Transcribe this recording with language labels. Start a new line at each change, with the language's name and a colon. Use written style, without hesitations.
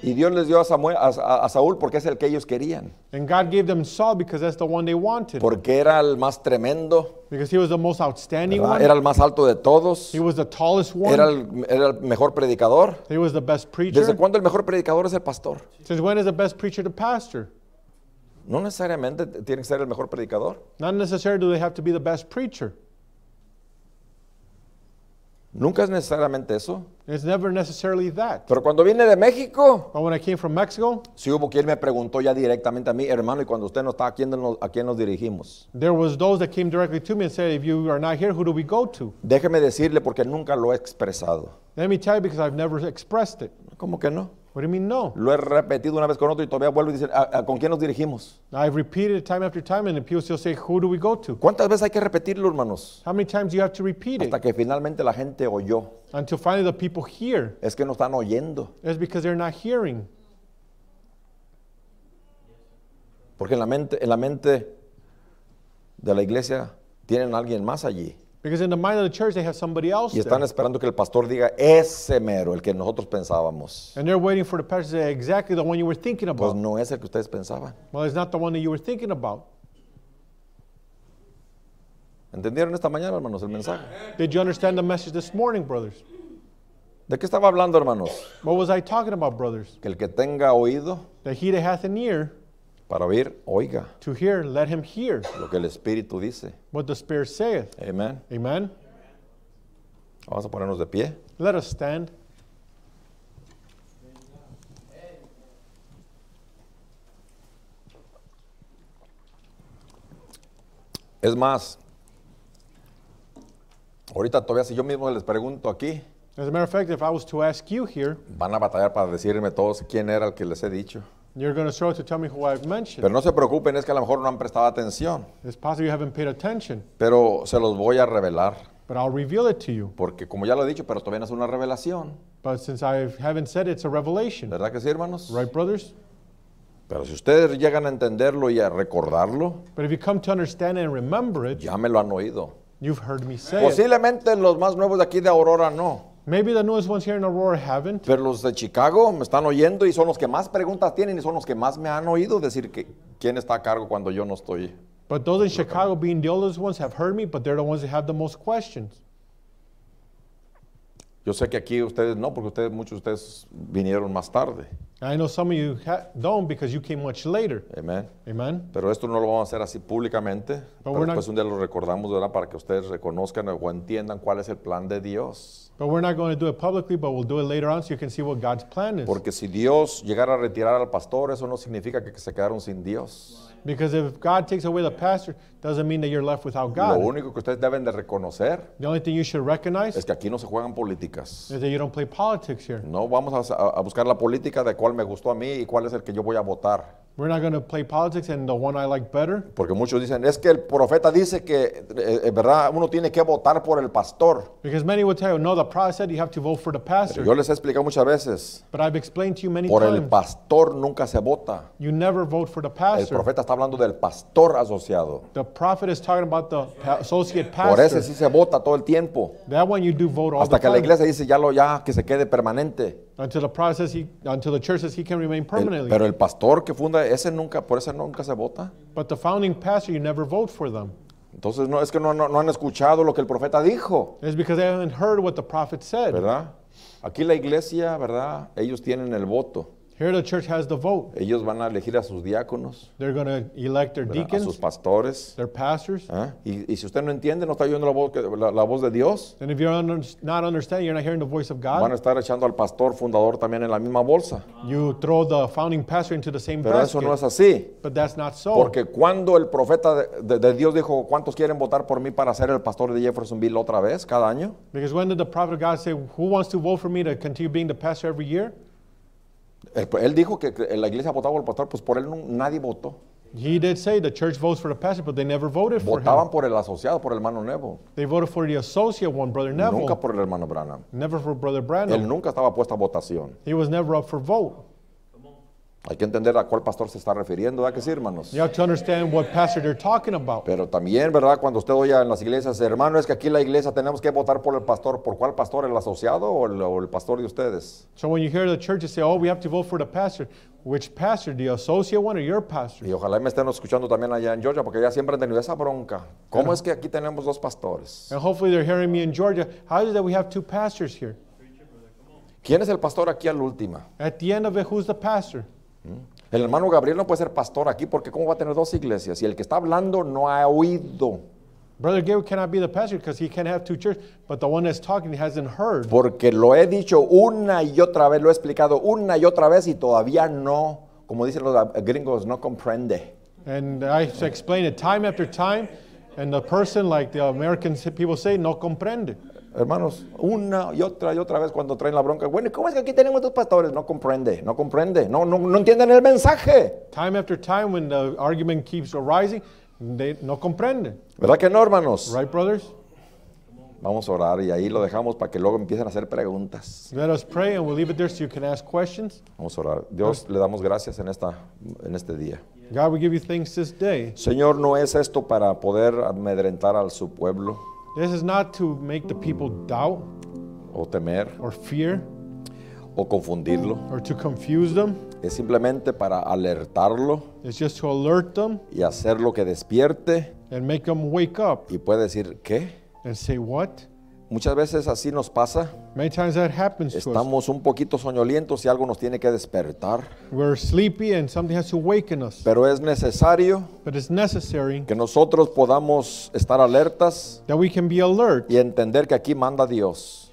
Spanish: Y Dios les dio a Samuel, a Saúl, porque es el que ellos querían.
English: And God gave them Saul because that's the one they wanted.
Spanish: Porque era el más tremendo.
English: Because he was the most outstanding,
Spanish: ¿verdad?,
English: one.
Spanish: Era el más alto de todos.
English: He was the tallest one.
Spanish: Era el mejor predicador.
English: He was the best preacher.
Spanish: ¿Desde cuándo el mejor predicador es el pastor?
English: Since when is the best preacher the pastor?
Spanish: No necesariamente tiene que ser el mejor predicador.
English: Not necessarily do they have to be the best preacher.
Spanish: Nunca es necesariamente eso.
English: It's never necessarily that.
Spanish: Pero cuando vine de México,
English: but when I came from Mexico,
Spanish: si hubo quien me preguntó ya directamente a mí, hermano, y cuando usted no está, ¿a quién nos dirigimos?
English: There was those that came directly to me and said, if you are not here, who do we go to?
Spanish: Déjeme decirle porque nunca lo he expresado.
English: Let me tell you because I've never expressed it.
Spanish: ¿Cómo que no?
English: What do you mean no?
Spanish: Lo he repetido una vez con otro y todavía vuelvo y dice, ¿con quién nos dirigimos?
English: I've repeated it time after time and the people still say, who do we go to?
Spanish: ¿Cuántas veces hay que repetirlo, hermanos?
English: How many times do you have to repeat
Spanish: hasta
English: it?
Spanish: Hasta que finalmente la gente oyó.
English: Until finally the people hear.
Spanish: Es que no están oyendo.
English: It's because they're not hearing.
Spanish: Porque en la mente de la iglesia tienen alguien más allí.
English: Because in the mind of the church, they have somebody else.
Spanish: Y están esperando que el pastor diga ese mero, el que nosotros pensábamos.
English: And they're waiting for the pastor to say exactly the one you were thinking about.
Spanish: Pues no es el que ustedes pensaban.
English: Well, it's not the one that you were thinking about.
Spanish: ¿Entendieron esta mañana, hermanos, el mensaje?
English: Did you understand the message this morning, brothers?
Spanish: ¿De qué estaba hablando, hermanos?
English: What was I talking about, brothers?
Spanish: Que el que tenga oído.
English: That he that hath an ear.
Spanish: Para oír, oiga.
English: To hear, let him hear.
Spanish: Lo que el Espíritu dice.
English: What the Spirit saith.
Spanish: Amen.
English: Amen.
Spanish: Vamos a ponernos de pie.
English: Let us stand.
Spanish: Es más, ahorita todavía si yo mismo les pregunto aquí.
English: As a matter of fact, if I was to ask you here.
Spanish: Van a batallar para decirme todos quién era el que les he dicho.
English: You're going to struggle to tell me who I've mentioned.
Spanish: Pero no se preocupen, es que a lo mejor no han prestado atención.
English: It's possible you haven't paid attention.
Spanish: Pero se los voy a revelar.
English: But I'll reveal it to you.
Spanish: Porque como ya lo he dicho, pero todavía no es una revelación.
English: But since I haven't said it, it's a revelation.
Spanish: ¿Verdad que sí, hermanos?
English: Right, brothers?
Spanish: Pero si ustedes llegan a entenderlo y a recordarlo.
English: But if you come to understand and remember it.
Spanish: Ya me lo han oído.
English: You've heard me say
Spanish: posiblemente
English: it.
Spanish: Los más nuevos de aquí de Aurora no.
English: Maybe the newest ones here in Aurora haven't.
Spanish: Pero los de Chicago me están oyendo y son los que más preguntas tienen y son los que más me han oído decir que quién está a cargo cuando yo no estoy.
English: But those in Chicago, being the oldest ones, have heard me, but they're the ones that have the most questions.
Spanish: Yo sé que aquí ustedes no, porque ustedes muchos de ustedes vinieron más tarde.
English: I know some of you don't because you came much later.
Spanish: Amen.
English: Amen.
Spanish: Pero esto no lo vamos a hacer así públicamente. But pero después un día lo recordamos, ¿verdad? Para que ustedes reconozcan o entiendan cuál es el plan de Dios.
English: But we're not going to do it publicly, but we'll do it later on so you can see what God's plan is.
Spanish: Porque si Dios llegara a retirar al pastor, eso no significa que se quedaron sin Dios.
English: Because if God takes away the pastor, doesn't mean that you're left without God.
Spanish: Lo único que ustedes deben de reconocer,
English: the only thing you should recognize,
Spanish: es que aquí no se juegan políticas.
English: Is that you don't play politics here.
Spanish: No vamos a buscar la política de cuál me gustó a mí y cuál es el que yo voy a votar.
English: We're not going to play politics and the one I like better.
Spanish: Porque muchos dicen, es que el profeta dice que, verdad, uno tiene que votar por el pastor.
English: Because many would tell you, no, the prophet said you have to vote for the pastor.
Spanish: Pero yo les he explicado muchas veces.
English: But I've explained to you many
Spanish: por
English: times.
Spanish: Por el pastor nunca se vota.
English: You never vote for the pastor.
Spanish: El profeta está hablando del pastor asociado.
English: The prophet is talking about the associate pastor.
Spanish: Por ese sí se vota todo el tiempo.
English: That one you do vote all
Spanish: hasta
English: the time.
Spanish: Hasta que la iglesia dice, ya, que se quede permanente.
English: Until the church says he can remain permanently.
Spanish: Pero el pastor que funda, ese nunca, por ese nunca se vota.
English: But the founding pastor, you never vote for them.
Spanish: Entonces, no, es que no han escuchado lo que el profeta dijo.
English: It's because they haven't heard what the prophet said.
Spanish: ¿Verdad? Aquí la iglesia, ¿verdad? Ellos tienen el voto.
English: Here the church has the vote.
Spanish: Ellos van a elegir a sus diáconos.
English: They're going to elect their deacons.
Spanish: A sus pastores.
English: Their pastors. ¿Eh?
Spanish: Y si usted no entiende, no está oyendo la voz de Dios.
English: And if you're not understanding, you're not hearing the voice of God.
Spanish: Van a estar echando al pastor fundador también en la misma bolsa.
English: You throw the founding pastor into the same
Spanish: pero
English: basket.
Spanish: Pero eso no es así.
English: But that's not so.
Spanish: Porque cuando el profeta de Dios dijo, ¿cuántos quieren votar por mí para ser el pastor de Jeffersonville otra vez cada año?
English: Because when did the prophet of God say, who wants to vote for me to continue being the pastor every year?
Spanish: Él dijo que la iglesia votaba por el pastor, pues por él nadie votó.
English: He did say the church votes for the pastor, but they never voted for
Spanish: votaban
English: him.
Spanish: Votaban por el asociado, por el hermano Nuevo.
English: They voted for the associate one, Brother Neville.
Spanish: Nunca por el hermano Branham.
English: Never for Brother Branham.
Spanish: Él nunca estaba puesto a votación.
English: He was never up for vote.
Spanish: Hay que entender a cuál pastor se está refiriendo, ¿verdad que sí, hermanos?
English: You have to understand what pastor they're talking about.
Spanish: Pero también, ¿verdad? Cuando usted oye en las iglesias, hermano, es que aquí la iglesia tenemos que votar por el pastor. ¿Por cuál pastor? ¿El asociado o el pastor de ustedes?
English: So when you hear the church say, oh, we have to vote for the pastor. Which pastor? The associate one or your pastor?
Spanish: Y ojalá me estén escuchando también allá en Georgia, porque ya siempre han tenido esa bronca. ¿Cómo es que aquí tenemos dos pastores?
English: And hopefully they're hearing me in Georgia. How is it that we have two pastors here?
Spanish: ¿Quién es el pastor aquí al último?
English: At the end of it, who's the pastor?
Spanish: El hermano Gabriel no puede ser pastor aquí porque cómo va a tener dos iglesias y el que está hablando no ha oído.
English: Brother Gabriel cannot be the pastor because he can't have two churches, but the one that's talking hasn't heard.
Spanish: Porque lo he dicho una y otra vez, lo he explicado una y otra vez y todavía no, como dicen los gringos, no comprende.
English: And I explain it time after time, and the person, like the American people say,
Spanish: no comprende. Hermanos, una y otra vez cuando traen la bronca. Bueno, ¿cómo es que aquí tenemos dos pastores? No comprende, no comprende. No, no, no entienden el mensaje.
English: Time after time, when the argument keeps arising, they
Spanish: no comprende. ¿Verdad que no, hermanos?
English: Right, brothers?
Spanish: Vamos a orar y ahí lo dejamos para que luego empiecen a hacer preguntas.
English: Let us pray and we'll leave it there so you can ask questions.
Spanish: Vamos a orar. Dios, le damos gracias en esta, en este día.
English: God, we give you thanks this day.
Spanish: Señor, no es esto para poder amedrentar al su pueblo.
English: This is not to make the people doubt.
Spanish: O temer.
English: Or fear.
Spanish: O confundirlo.
English: Or to confuse them.
Spanish: Es simplemente para alertarlo.
English: It's just to alert them.
Spanish: Y hacer lo que despierte.
English: And make them wake up.
Spanish: Y puede decir, ¿qué?
English: And say what?
Spanish: Muchas veces así nos pasa.
English: Many times that happens
Spanish: estamos
English: to us.
Spanish: Estamos un poquito soñolientos y algo nos tiene que despertar.
English: We're sleepy and something has to waken us.
Spanish: Pero es necesario.
English: But it's necessary.
Spanish: Que nosotros podamos estar alertas.
English: That we can be alert.
Spanish: Y entender que aquí manda Dios.